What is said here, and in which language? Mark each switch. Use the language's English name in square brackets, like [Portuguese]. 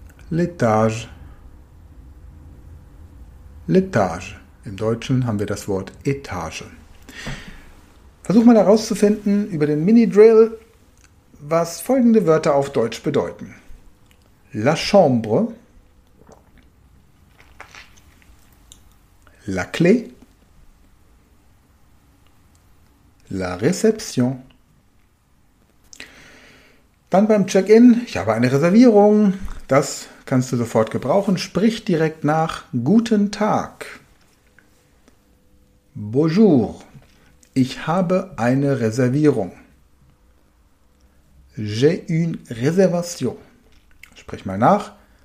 [French] L'étage. [German] L'étage. Im Deutschen haben wir das Wort Etage. Versuch mal herauszufinden über den Mini-Drill, was folgende Wörter auf Deutsch bedeuten. [French] La chambre, la clé, la réception. [German] Dann beim Check-in, ich habe eine Reservierung, das kannst du sofort gebrauchen. Sprich direkt nach, guten Tag, bonjour. Ich habe eine Reservierung. [French] J'ai une réservation. [German] Sprich mal nach.